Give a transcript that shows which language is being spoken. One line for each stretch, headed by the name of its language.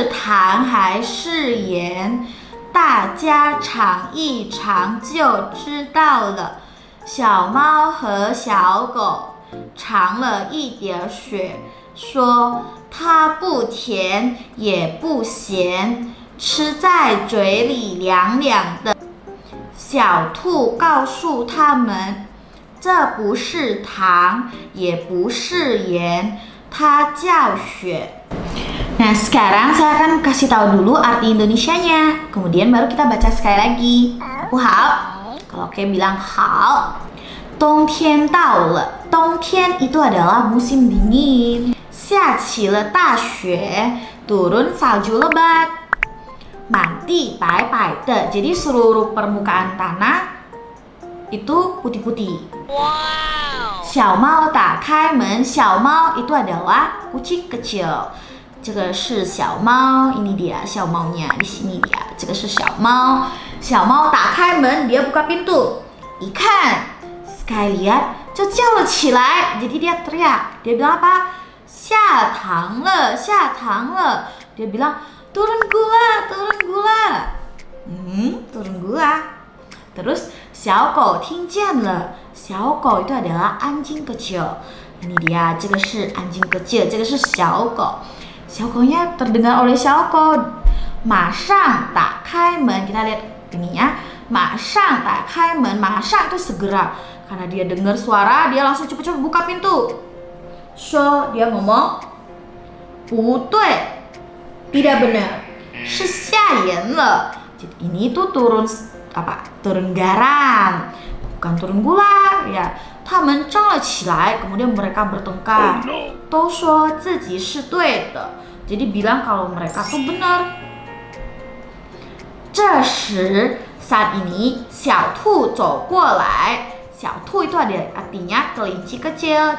Chinese: 小狗听见了，马上打开门，说：“不对，是下盐了。”他们争了起来，都说自己是对的。这时，小兔走过来说：“你们别争了，是糖还是盐？” 大家尝一尝就知道了。小猫和小狗尝了一点雪，说它不甜也不咸，吃在嘴里凉凉的。小兔告诉他们，这不是糖，也不是盐，它叫雪。
Indonesian: Nah, sekarang saya akan kasih tahu dulu arti Indonesianya. Kemudian baru kita baca sekali lagi. Wow. Kalau kayak bilang hao.
Chinese: Tong tian dao le.
Indonesian: Tong tian itu adalah musim dingin.
Chinese: Xia qi le da xue.
Indonesian: Turun salju lebat.
Chinese: Man di bai bai de.
Indonesian: Jadi seluruh permukaan tanah itu putih-putih.
Chinese: Wow. Xiao mao da kai men.
Indonesian: Xiao mao itu adalah kucing kecil.
Chinese: 这个是小猫,
Indonesian: ini dia, 小猫nya, di sini dia.
Chinese: 这个是小猫, 小猫打开门,
Indonesian: dia buka pintu.
Chinese: 一看,
Indonesian: sekali lihat,
Chinese: 就叫了起来,
Indonesian: jadi dia teriak. Dia bilang apa?
Chinese: 下糖了, 下糖了.
Indonesian: Dia bilang, turun gula, turun gula. Turun gula. Terus,
Chinese: 小狗听见了,
Indonesian: 小狗 itu adalah anjing kecil.
Chinese: Ini dia, 这个是
Indonesian: anjing kecil,
Chinese: 这个是小狗.
Indonesian: 小狗nya terdengar oleh 小狗.
Chinese: 马上打开门.
Indonesian: Kita lihat ininya.
Chinese: 马上打开门.
Indonesian: 马上 itu segera. Karena dia dengar suara, dia langsung cepat-cepat buka pintu.
Chinese: 说,
Indonesian: dia ngomong.
Chinese: 不对.
Indonesian: Tidak benar.
Chinese: 是下盐了.
Indonesian: Jadi ini tuh turun, apa? Turun garam. Bukan turun gula. Ya.
Chinese: 他们争了起来.
Indonesian: Kemudian mereka bertengkar.
Chinese: 都说自己是对的.
Indonesian: Jadi bilang kalau mereka tuh benar.
Chinese: 这时,
Indonesian: saat ini,
Chinese: 小兔走过来.
Indonesian: 小兔 itu ada artinya kelinci kecil.